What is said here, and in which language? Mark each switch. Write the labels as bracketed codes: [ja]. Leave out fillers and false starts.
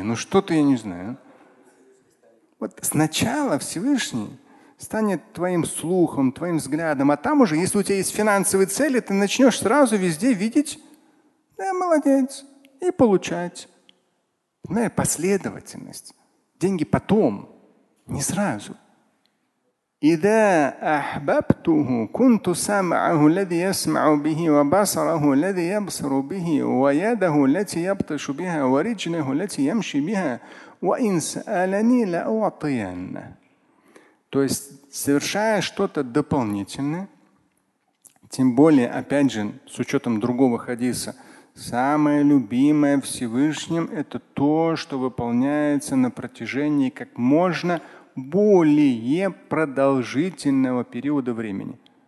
[ru] Ну что-то я не знаю. Вот сначала Всевышний станет твоим слухом, твоим взглядом, а там уже, если у тебя есть финансовые цели, ты начнешь сразу везде видеть, да, молодец, и получать. Ну и последовательность. Деньги потом, не сразу. [ar] إذا أحببته كنت سامعه الذي يسمع به وبصره الذي يبصر به ويده التي يبطش بها ورجله التي يمشي بها وإن سألني لأعطينه. [ru] То есть совершая что-то дополнительное, тем более, опять же, с учетом другого хадиса, самое любимое Всевышним – это то, что выполняется на протяжении как можно более продолжительного периода времени.